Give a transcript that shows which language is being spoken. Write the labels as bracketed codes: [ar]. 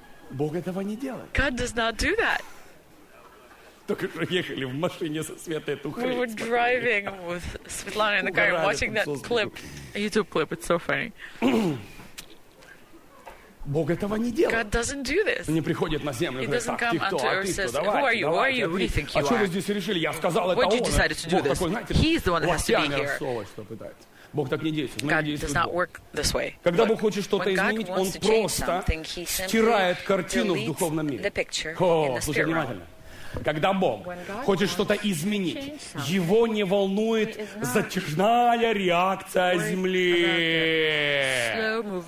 [ru] Бог этого не делает. Только что ехали в машине со Светой эту хрень. [en] We were driving with Svetlana in the car, watching that clip, a YouTube clip. It's so funny. [ru] Бог этого не делает. [en] God doesn't do this. [ru] Не приходит на землю. [en] He doesn't come unto earth and says, "Who are you? Who are you? Who do you think you are?" [ru] А что вы здесь решили? Я сказал это. [en] What you decided to do this? He's the one that has to be here. [ru] Бог так не действует. [en] God does not work this way. [ru] Когда Бог хочет что-то изменить, Он просто стирает картину в духовном мире. О, слушай внимательно. Когда Бог хочет что-то изменить, его не волнует затяжная реакция Земли.